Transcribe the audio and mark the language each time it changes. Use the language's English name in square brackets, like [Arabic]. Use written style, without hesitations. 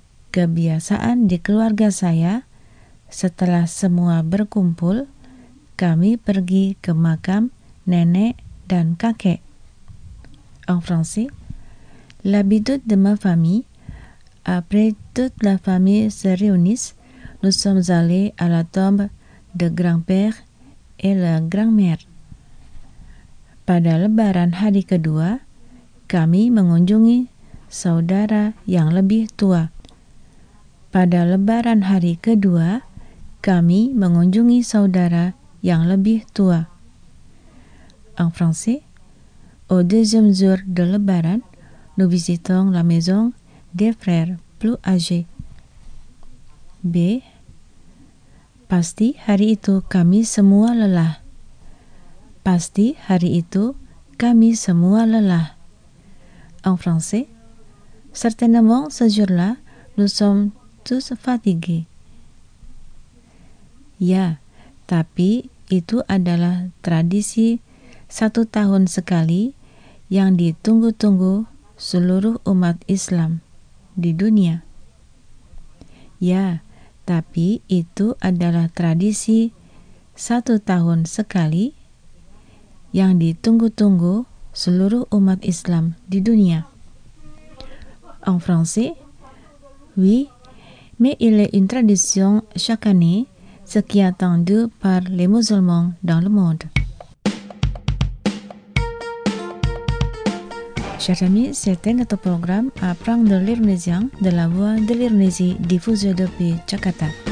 [Indonesian] Kebiasaan di keluarga saya, setelah semua berkumpul, kami pergi ke makam nenek dan kakek. [French] En français, l'habitude de ma famille, après toute la famille se réunisse, nous sommes allés à la tombe de grand-père et la grand-mère. [Indonesian] Pada lebaran hari kedua, kami mengunjungi saudara yang lebih tua. Pada lebaran hari kedua, kami mengunjungi saudara yang lebih tua. [French] En français, au deuxième jour de lebaran, nous visitons la maison des frères plus âgés. B. [Indonesian] Pasti hari itu kami semua lelah. Pasti hari itu kami semua lelah. [French] En français, certainement ce jour-là, nous sommes tous fatigués. [Indonesian] Ya, tapi itu adalah tradisi satu tahun sekali yang ditunggu-tunggu seluruh umat Islam di dunia. Ya, tapi itu adalah tradisi satu tahun sekali yang ditunggu-tunggu seluruh umat Islam di dunia. [French] En français, oui, mais il est une tradition chaque année, ce qui est attendu par les musulmans dans le monde. Chers amis, c'était notre programme Apprendre l'Indonésien de la voix de l'Indonésie diffusée depuis Jakarta.